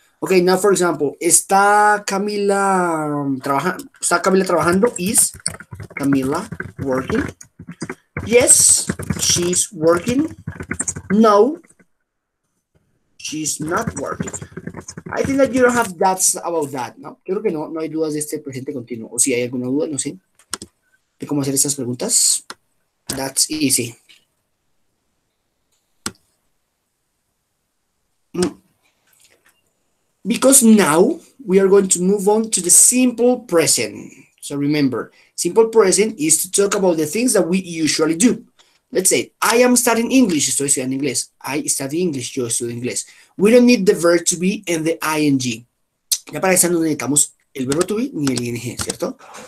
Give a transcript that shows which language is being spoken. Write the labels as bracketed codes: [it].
[en] Okay, now for example, [es] ¿está Camila trabajando? [en] Is Camila working? Yes, she's working. No, she's not working. I think that you don't have doubts about that, ¿no? [es] Creo que no hay dudas de este presente continuo. O si hay alguna duda, no sé, de cómo hacer estas preguntas. [en] That's easy. Because now we are going to move on to the simple present. So remember, simple present is to talk about the things that we usually do. Let's say, I am studying English. [es] Estoy estudiando inglés. [en] I study English. [es] Yo estudio inglés. [en] We don't need the verb to be and the ing. [es] Ya para eso no necesitamos el verbo to be ni el ing, ¿cierto?